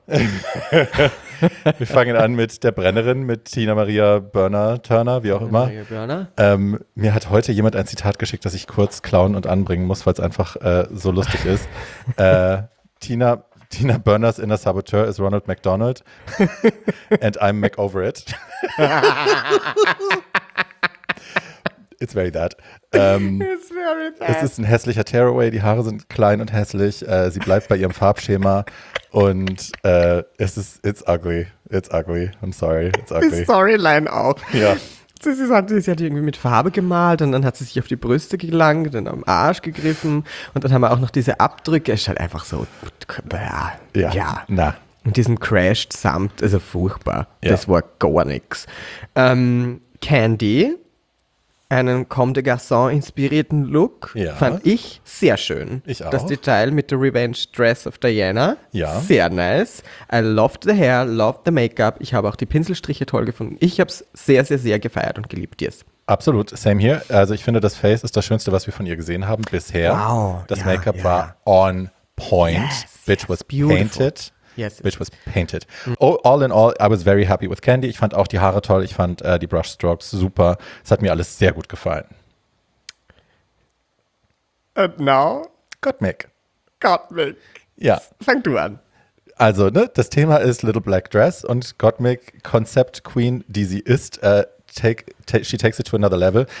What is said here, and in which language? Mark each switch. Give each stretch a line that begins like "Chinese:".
German: Wir fangen an mit der Brennerin, mit Tina Maria Börner, Turner, wie auch immer. Maria Börner. Mir hat heute jemand ein Zitat geschickt, das ich kurz klauen und anbringen muss, weil es einfach so lustig ist.
English: Tina Burners inner saboteur is Ronald McDonald and I'm Mac over it. It's very that. It's very that.
German: Es ist ein hässlicher Tearaway, die Haare sind klein und hässlich, sie bleibt bei ihrem Farbschema.
English: Und it's ugly, I'm sorry, it's ugly.
German: Die Storyline auch. Ja. Sie hat irgendwie mit Farbe gemalt und dann hat sie sich auf die Brüste gelangt und am Arsch gegriffen und dann haben wir auch noch diese Abdrücke, es ist halt einfach so, ja. Und diesem Crashed Samt, also furchtbar, das war gar nichts. Candy, einen Comme des Garçons inspirierten Look, fand ich sehr schön. Ich auch. Das Detail mit der Revenge Dress of Diana, ja.
English: Sehr nice. I loved the hair, loved the Make-up.
German: Ich habe auch die Pinselstriche toll gefunden. Ich habe es sehr, sehr, sehr gefeiert und geliebt, yes.
English: Absolut, same here.
German: Also ich finde, das Face ist das Schönste, was wir von ihr gesehen haben bisher. Wow. Das Make-up war
English: on point. Yes, bitch was beautiful. Painted. Yes. Which was painted. Oh, all in all, I was very happy with Candy.
German: Ich fand auch die Haare toll. Ich fand die Brushstrokes super. Es hat mir alles sehr gut gefallen.
English: And now? Gottmik.
German: Ja. Fang du an. Also, ne, das Thema ist Little Black Dress und Gottmik, Concept Queen, die sie ist,
English: she takes it to another level.